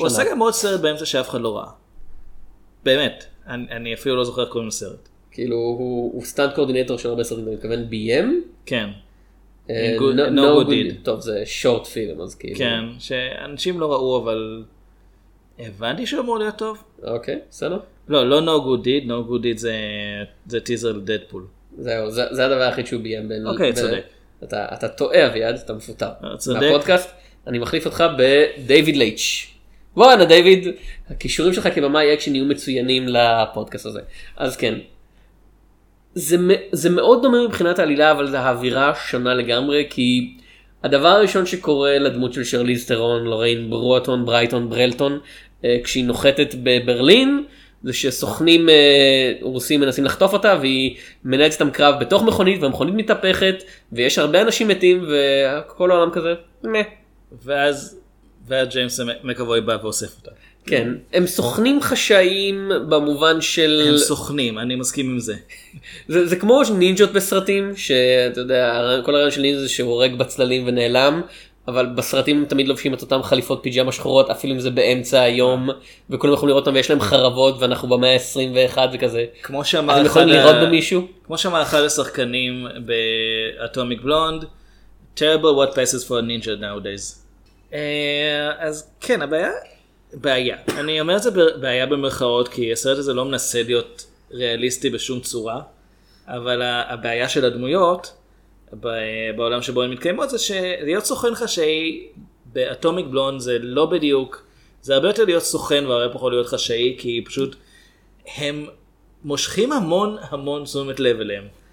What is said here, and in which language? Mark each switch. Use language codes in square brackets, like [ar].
[he] הוא עשה גם עוד סרט באמצע שאף אחד לא ראה. באמת, אני אפילו לא זוכר קוראים לסרט. כאילו, הוא סטנט קורדינטור של הרבה סרטים, אני מתכוון BM? כן. No good deed. טוב, זה שורט פילם, אז כאילו. כן, שאנשים לא ראו, אבל הבנתי שהוא אמור להיות טוב. אוקיי, סלו. לא No good deed, No good deed זה טיזר לדדפול. זהו, זה הדבר היחיד שהוא BM בין... אוקיי, צודק. אתה טועה אביעד, אתה מפותר. צודק. מהפודקאסט, אני מחליף אותך בדייוויד לייץ'. בוא נה דייוויד, הכישורים שלך כבמאי אקשן יהיו מצוינים לפודקאסט הזה. אז כן, זה מאוד דומה מבחינת העלילה, אבל זה האווירה שונה לגמרי, כי הדבר הראשון שקורה לדמות של שרליז טרון, לוריין ברואטון, ברייטון, ברלטון, כשהיא נוחתת בברלין, זה שסוכנים רוסים מנסים לחטוף אותה, והיא מנהלת אתם קרב בתוך מכונית, והמכונית מתהפכת, ויש הרבה אנשים מתים, וכל העולם כזה, מה. ואז ג'יימס מקבוי בא ואוסף אותה. כן, הם סוכנים חשאיים במובן של... הם סוכנים, אני מסכים עם זה. זה כמו נינג'ות בסרטים, שאתה יודע, כל הרעיון של נינג'ה זה שהוא הורג בצללים ונעלם, אבל בסרטים הם תמיד לובשים את אותם חליפות פיג'אמה שחורות, אפילו אם זה באמצע היום, וכולם יכולים לראות אותם ויש להם חרבות, ואנחנו במאה ה-21 וכזה. כמו שאמר אחד... אתם יכולים לראות במישהו? כמו שאמר אחד השחקנים באטומיק בלונד, [en] terrible what passes for a ninja nowadays. [he] אז כן, הבעיה, אני אומר את זה בעיה במרכאות, כי הסרט הזה לא מנסה להיות ריאליסטי בשום צורה, אבל הבעיה של הדמויות בעולם שבו הן מתקיימות זה שלהיות סוכן חשאי באטומיק בלון זה לא בדיוק, זה הרבה יותר להיות סוכן והרבה פחות להיות חשאי, כי פשוט הם מושכים המון המון תשומת לב אליהם.